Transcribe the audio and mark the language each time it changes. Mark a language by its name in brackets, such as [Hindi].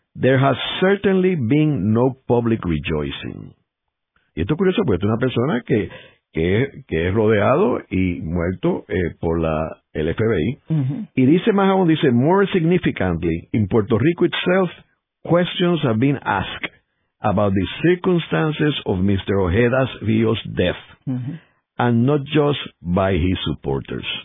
[English] There has certainly been no public rejoicing. [Spanish] Y esto es curioso porque esto es una persona que es rodeado y muerto por el FBI. [English] Uh-huh. [Spanish] Y dice más aún, dice, [English] more significantly, in Puerto Rico itself, questions have been asked about the circumstances of Mr. Ojeda's Rios death, uh-huh, and not just by his supporters.